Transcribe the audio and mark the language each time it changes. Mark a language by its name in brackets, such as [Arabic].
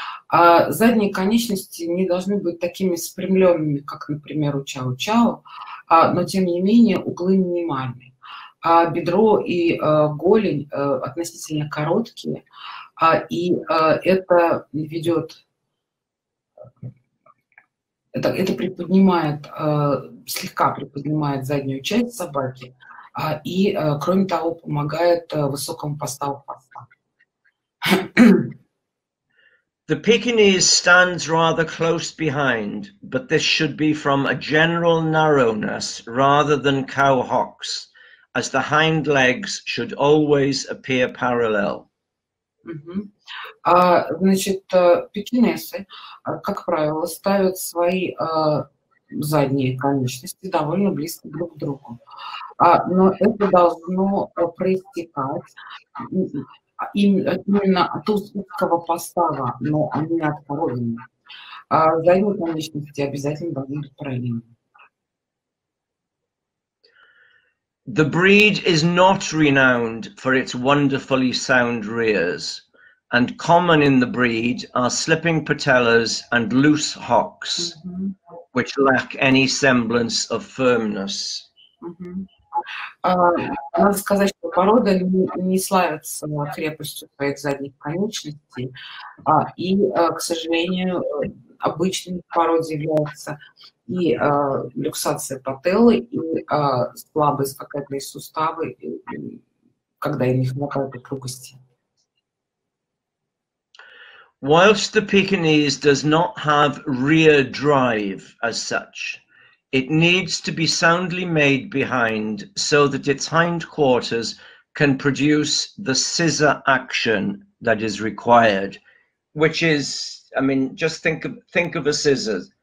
[Russian] Задние конечности не должны быть такими спрямленными, как, например, у чау чау, но тем не менее углы минимальны. Бедро и голень относительно короткие, и это ведет, это приподнимает, слегка приподнимает заднюю часть собаки, и, кроме того, помогает высокому поставу хвоста. [English] The Pekinese stands rather close behind, but this should be from a general narrowness rather than cow hocks, as the hind legs should always appear parallel. [Russian] Значит, пекинесы, как правило, ставят свои задние конечности довольно близко друг к другу. Но это должно проистекать именно от узкого постава, но не от породы. Задние конечности обязательно должны быть параллельны. [English] The breed is not renowned for its wonderfully sound rears, and common in the breed are slipping patellas and loose hocks, which lack any semblance of firmness. [Russian] Надо сказать, что порода не славится крепостью своих задних конечностей, и, к сожалению, обычной породе является и люксация пателлы, и слабые скакательные суставы, когда у них хватает упругости. [English] Whilst the Pekinese does not have rear drive as such, it needs to be soundly made behind so that its hindquarters can produce the scissor action that is required, which is, I mean, just think of a scissor.